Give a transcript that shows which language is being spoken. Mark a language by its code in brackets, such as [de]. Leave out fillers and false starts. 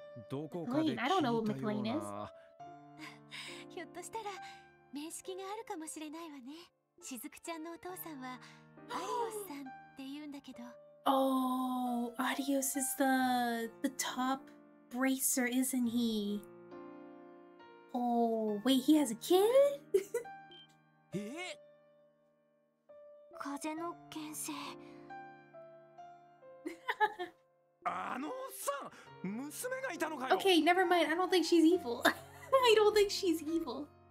[ja] どこかで聞いたような。 [en] I don't know what McLean is. [ja] ひょっとしたら面識があるかもしれないわね。しずくちゃんのお父さんはアリオスさんって言うんだけど。 [en] Oh, Arios is the top bracer, isn't he? Oh, wait, he has a kid? [ja] 風の剣聖。あのおっさん、娘がいたのかよ。 [en] Okay, never mind. I don't think she's evil. I don't think she's evil.